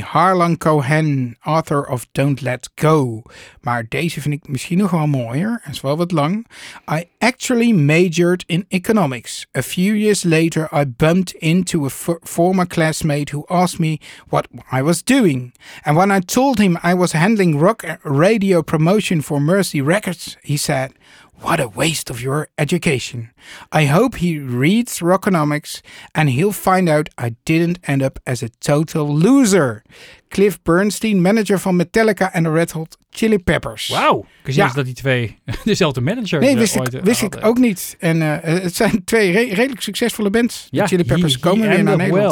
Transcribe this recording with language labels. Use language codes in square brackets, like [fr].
[en] Harlan Cohen, author of Don't Let Go. [nl] Maar deze vind ik misschien nog wel mooier. Is wel wat lang. [en] I actually majored in economics. A few years later, I bumped into a former classmate who asked me what I was doing. And when I told him I was handling rock radio promotion for Mercy Records, he said, what a waste of your education. I hope he reads Rockonomics and he'll find out I didn't end up as a total loser. [nl] Cliff Bernstein, manager van Metallica en de Red Hot Chili Peppers. Wauw, ik zie dat die twee dezelfde manager nee, wist ooit ik, wist hadden. Ik ook niet. En het zijn twee redelijk succesvolle bands. Ja, de Chili Peppers komen weer naar Nederland.